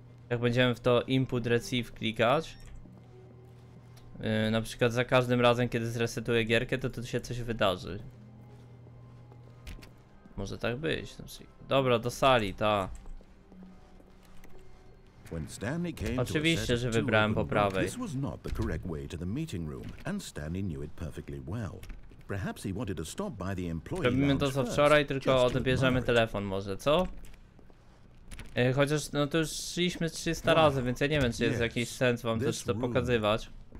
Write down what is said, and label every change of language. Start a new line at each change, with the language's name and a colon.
Polish: Jak będziemy w to input receive klikać, na przykład za każdym razem, kiedy zresetuję gierkę, to się coś wydarzy. Może tak być. Dobra, do sali, ta. Oczywiście, że wybrałem po prawej.
English: This was not the correct way to the meeting room, and Stanley knew it perfectly well. Perhaps he wanted to stop by the employee lounge.
Polish: Robimy to co wczoraj, tylko odbierzemy telefon, może co? Chociaż no to już szliśmy 300 razy, więc ja nie wiem, czy jest jakiś sens wam coś to pokazywać.